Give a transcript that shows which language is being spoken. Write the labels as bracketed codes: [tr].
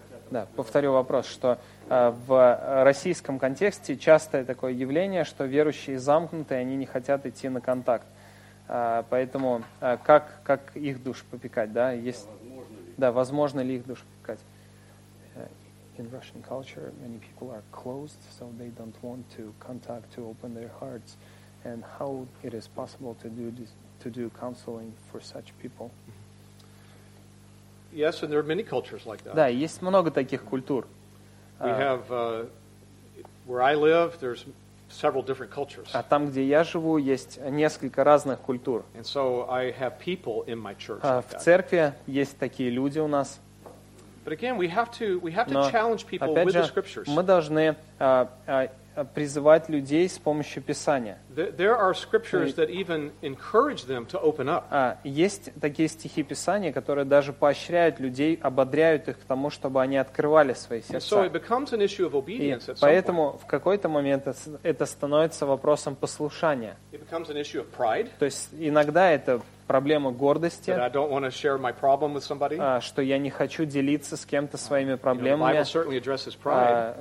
[ru] Да, повторю вопрос, что в российском контексте частое такое явление, что верующие замкнутые, они не хотят идти на контакт. Поэтому как их душ попекать, да? Возможно ли их душ попекать? [en] In Russian culture, many people are closed, so they don't want to contact, to open their hearts. And how it is possible to do this, to do counseling for such people? Yes, and there are many cultures like that. [ru] Да, есть много таких культур. [en] We have where I live. There's several different cultures. [ru] А там, где я живу, есть несколько разных культур. [en] And so I have people in my church. [ru] В церкви есть такие люди у нас. [en] But again, we have to challenge people with the scriptures. [ru] Мы должны призывать людей с помощью Писания. [en] There are scriptures that even encourage them to open up. [ru] Есть такие стихи Писания, которые даже поощряют людей, ободряют их к тому, чтобы они открывали свои сердца. [en] So it becomes an issue of obedience. [ru] Поэтому в какой-то момент это становится вопросом послушания. [en] It becomes an issue of pride. [ru] То есть иногда это проблема гордости, что я не хочу делиться с кем-то своими проблемами.